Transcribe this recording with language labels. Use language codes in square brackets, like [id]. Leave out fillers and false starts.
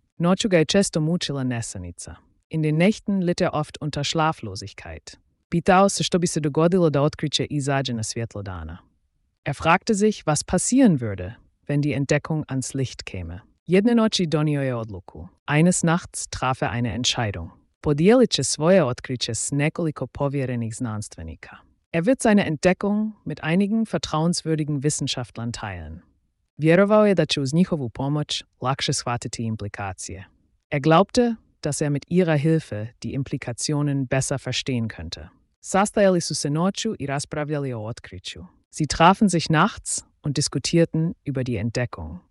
[hr] Noću ga je često mučila nesanica. [de] In den Nächten litt er oft unter Schlaflosigkeit. [hr] Pitao se što bi se dogodilo da otkriće izađe na svjetlo dana. [de] Er fragte sich, was passieren würde, wenn die Entdeckung ans Licht käme. [hr] Jedne noci donioje odluku. [de] Eines Nachts traf er eine Entscheidung. [hr] Podijelit će svoje otkriće s nekoliko povjerenih znanstvenika. [de] Er wird seine Entdeckung mit einigen vertrauenswürdigen Wissenschaftlern teilen. [hr] Vjerovao je da će uz njihovu pomoć lakše shvatiti implikacije. [de] Er glaubte, dass er mit ihrer Hilfe die Implikationen besser verstehen könnte. [hr] Sastajali su se noću i raspravljali o otkriću. [de] Sie trafen sich nachts und diskutierten über die Entdeckung.